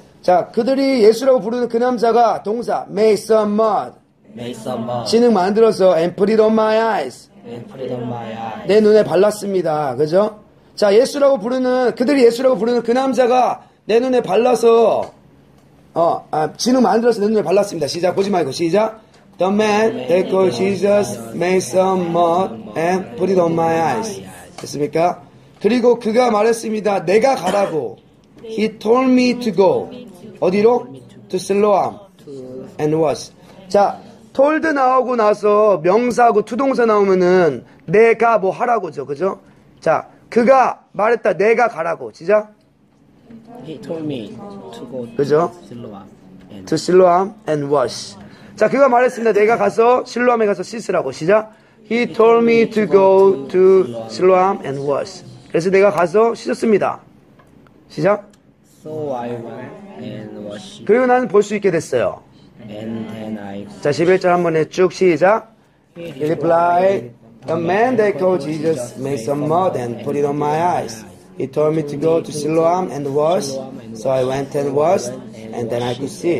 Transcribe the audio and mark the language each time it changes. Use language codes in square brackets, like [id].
[ko] 자, 그들이 예수라고 부르는 그 남자가 동사 [en] made some mud. made some mud. [ko] 진흙 만들어서 [en] and put it on my eyes. and put it on my eyes. [ko] 내 눈에 발랐습니다. 그죠? 자, 예수라고 부르는 그들이 예수라고 부르는 그 남자가 내 눈에 발라서 진흙 만들어서 내 눈에 발랐습니다. 시작. 보지 말고 시작. [en] The man they call Jesus made some mud and put it on my eyes. [ko] 됐습니까? 그리고 그가 말했습니다. 내가 가라고. [en] He told me to go. [ko] 어디로? [en] To Siloam. And was. [ko] 자, told 나오고 나서 명사하고 to동사 나오면은 내가 뭐 하라고죠. 그죠? 자, 그가 말했다. 내가 가라고. 시작. [en] He told me to go. [ko] 그죠? [en] Siloam. To Siloam and was. [ko] 자, 그가 말했습니다. 내가 가서 실로암에 가서 씻으라고. 시작. [en] He told me to go to Siloam and was. [ko] 그래서 내가 가서 씻었습니다. 시작. [en] So I went and washed. [ko] 그리고 나는 볼 수 있게 됐어요. [en] And then I. [ko] 자, 11절 한 번에 쭉 시작. [en] He replied, The man they called Jesus made some mud and put it on my eyes. He told me to go to Siloam and was. So I went and washed and then I could see.